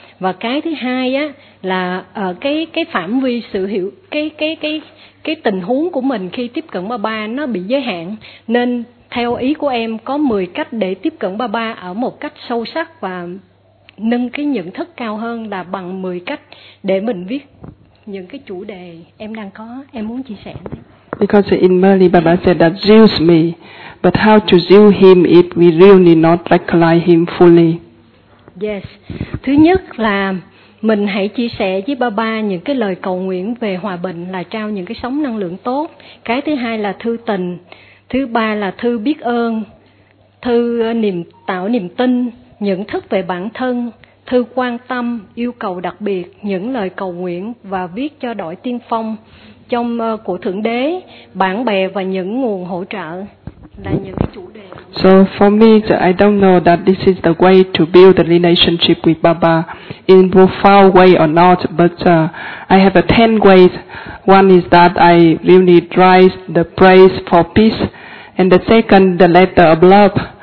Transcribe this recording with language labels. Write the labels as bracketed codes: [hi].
[vi] Và cái thứ hai á là cái phạm vi sự hiểu cái tình huống của mình khi tiếp cận Baba nó bị giới hạn, nên theo ý của em có 10 cách để tiếp cận Baba ở một cách sâu sắc và nâng cái nhận thức cao hơn là bằng 10 cách để mình viết những cái chủ đề em đang có, em muốn chia sẻ. [en] Because in Mali Baba said that use me, but how to use him if we really not recognize him fully? Yes. [vi] Thứ nhất là mình hãy chia sẻ với Baba những cái lời cầu nguyện về hòa bình, là trao những cái sóng năng lượng tốt. Cái thứ hai là thư tình. Thứ ba là thư biết ơn, thư tạo niềm tin, nhận thức về bản thân, thư quan tâm, yêu cầu đặc biệt, những lời cầu nguyện và viết cho đội tiên phong trong của Thượng Đế, bạn bè và những nguồn hỗ trợ là những cái chủ đề. [en] So for me, I don't know that this is the way to build the relationship with Baba in profound way or not, but I have a 10 ways. One is that I really drive the praise for peace, and the second, the letter of love.